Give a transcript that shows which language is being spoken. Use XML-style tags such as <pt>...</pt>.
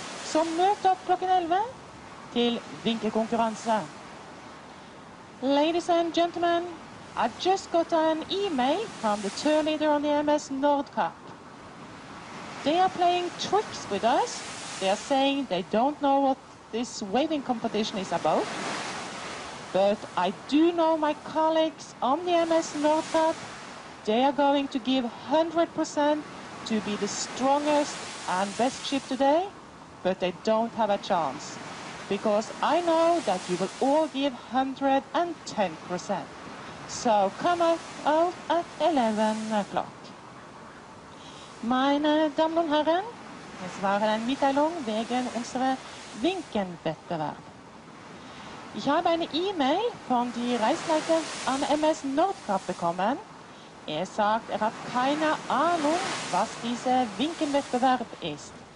<no>Så møt opp klokken 11 til vinkekonkurranse.</no> <en>Ladies and gentlemen, I just got an email from the tour leader on the MS Nordkap. They are playing tricks with us. They are saying they don't know what this waving competition is about. But I do know my colleagues on the MS Nordkap. They are going to give 100% to be the strongest and best ship today, but they don't have a chance. Because I know that you will all give 110%. So come out at 11 o'clock.</en> <de>Meine Damen und Herren, es war ein Mitteilung wegen unserer Winkenwettbewerb. Ich habe eine E-Mail von die Reisleiter an MS Nordkap bekommen. Er sagt, er hat keine Ahnung, was dieser Winkenwettbewerb ist.</de>